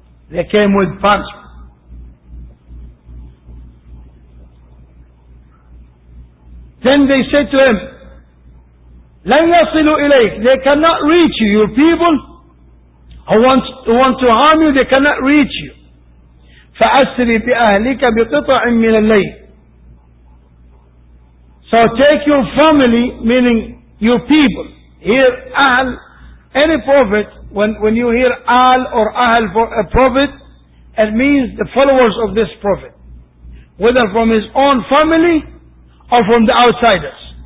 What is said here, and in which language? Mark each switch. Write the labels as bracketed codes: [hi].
[en] They came with punishment. Then they said to him, [ar] لن يصلوا إليك. [en] They cannot reach you. Your people who want to harm you, they cannot reach you. [ar] فأسري بأهلك بقطع من الليل. [en] So take your family, meaning your people. Here, أهل, any prophet, When you hear Al or Ahl for a prophet, it means the followers of this prophet. Whether from his own family or from the outsiders.